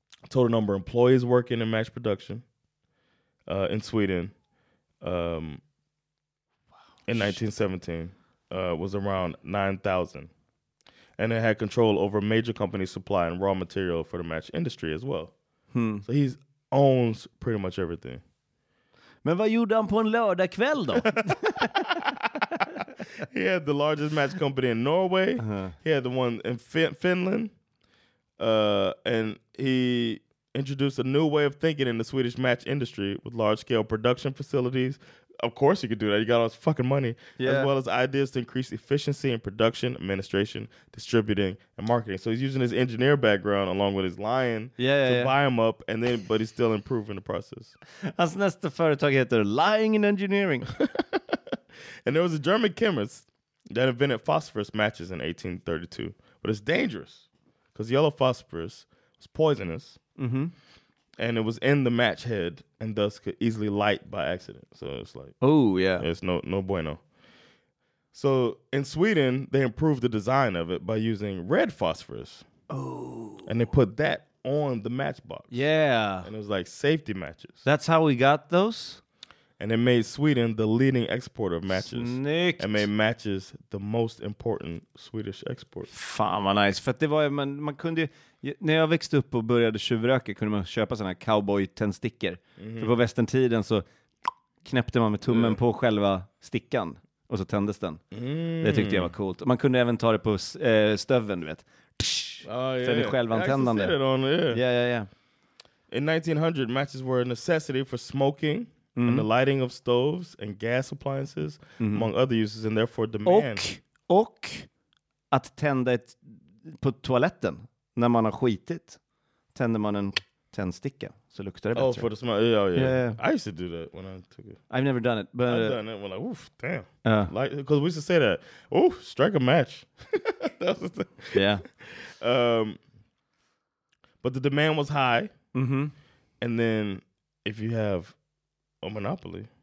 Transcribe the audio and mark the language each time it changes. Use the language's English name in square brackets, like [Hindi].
[English] Total number of employees working in match production in Sweden in 1917 was around 9,000. And it had control over major companies supplying raw material for the match industry as well. Hmm. So he owns pretty much everything. [Swedish] Men vad gjorde han på en lördag kväll då? [English] He had the largest match company in Norway. Uh-huh. He had the one in Finland. And he introduced a new way of thinking in the Swedish match industry with large-scale production facilities. Of course you could do that. You got all this fucking money. Yeah. As well as ideas to increase efficiency in production, administration, distributing, and marketing. So he's using his engineer background along with his lion buy him up, and then but he's still improving the process. [Swedish] Hans nästa företag heter Lying in Engineering. [English] And there was a German chemist that invented phosphorus matches in 1832. But it's dangerous because yellow phosphorus was poisonous. Mm-hmm. And it was in the match head and thus could easily light by accident. So it's like, oh, yeah. It's [Spanish] no bueno. [English] So in Sweden, they improved the design of it by using red phosphorus. Oh. And they put that on the matchbox. Yeah. And it was like safety matches. That's how we got those? And it made Sweden the leading exporter of matches. [Swedish] Snyggt. [English] And made matches the most important Swedish export. [Swedish] Fan vad nice. För att det var ju, man kunde ju, när jag växte upp och började tjuvröka kunde man köpa sådana här cowboy-tändstickor. Mm-hmm. För på västerntiden så knäppte man med tummen på själva stickan. Och så tändes den. Mm. Det tyckte jag var coolt. Man kunde även ta det på stöven, du vet. Sen är självantändande. [English] I actually see it on there. Yeah, yeah, yeah. In 1900, matches were a necessity for smoking. Mm. And the lighting of stoves and gas appliances, mm-hmm. among other uses, and therefore demand. [Swedish] Och att tända ett, på toaletten när man har skitit, tänder man en tändsticka så luktar det bättre. [English] Oh, for the smell. Yeah, yeah. I used to do that when I took it. I've never done it, but I've done it. We're like, oof, damn. Because we used to say that, oof, strike a match. That was the thing. Yeah. But the demand was high. Mm-hmm. And then if you have a monopoly.